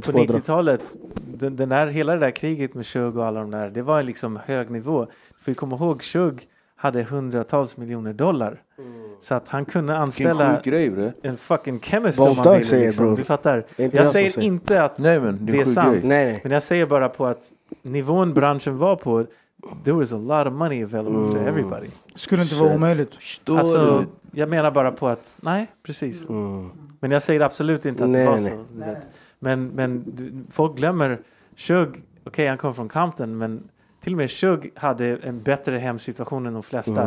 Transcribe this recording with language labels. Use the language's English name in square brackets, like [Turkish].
[Swedish] 2 90-talet, hela det där kriget med Shug och alla de där, det var en liksom hög nivå. För vi kommer ihåg, Shug hade hundratals miljoner dollar. Så att han kunde anställa en [English] fucking chemist [Swedish] om han ville. Liksom. Säger, bro. Du fattar. Jag säger inte att det är sant. Men jag säger bara på att nivån branschen var på... [English] There was a lot of money available to everybody. [Swedish] Skulle inte vara omöjligt. Alltså, jag menar bara på att... Nej, precis. Men jag säger absolut inte att det var så. Men folk glömmer Shug, okej, han kom från Compton, men till och med Shug hade en bättre hemsituation än de flesta.